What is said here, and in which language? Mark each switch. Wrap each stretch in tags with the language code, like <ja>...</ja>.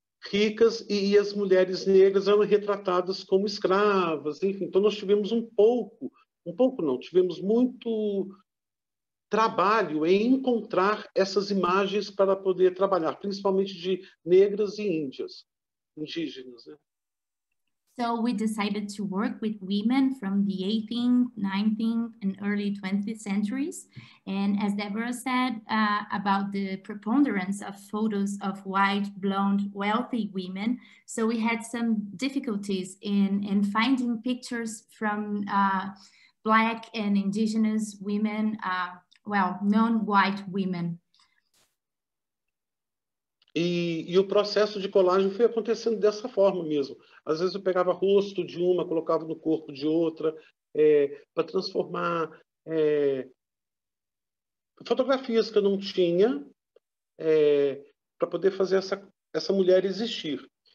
<pt>Ricas, e as mulheres negras eram retratadas como escravas, enfim. Então, nós tivemos tivemos muito trabalho em encontrar essas imagens para poder trabalhar, principalmente de negras e índias, indígenas. Né?</pt> <en>So we decided to work with women from the 18th, 19th, and early 20th centuries. And as Deborah said about the preponderance of photos of white, blonde, wealthy women, so we had some difficulties in finding pictures from Black and Indigenous women, non-white women.</en> <pt>E o processo de colagem foi acontecendo dessa forma mesmo. Às vezes eu pegava o rosto de uma, colocava no corpo de outra, para transformar fotografias que eu não tinha, para poder fazer essa mulher existir.</pt>